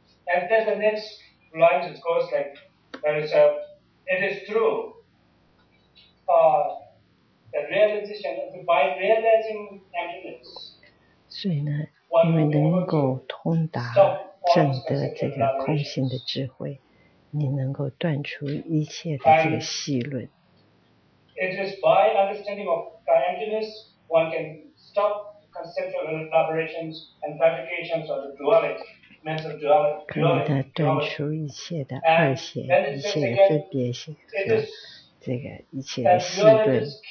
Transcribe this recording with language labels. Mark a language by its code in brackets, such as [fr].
[en] And then the next line, of course, like, there is a, it is true, the realization, by realizing emptiness. [zh] 所以呢，因为能够通达证得这个空性的智慧，你能够断除一切的这个细论。 [en] It is by understanding of emptiness, one can stop conceptual elaborations and fabrications of the duality. [zh] 可以的断除一切的二心，一切的分别心和这个一切的细论，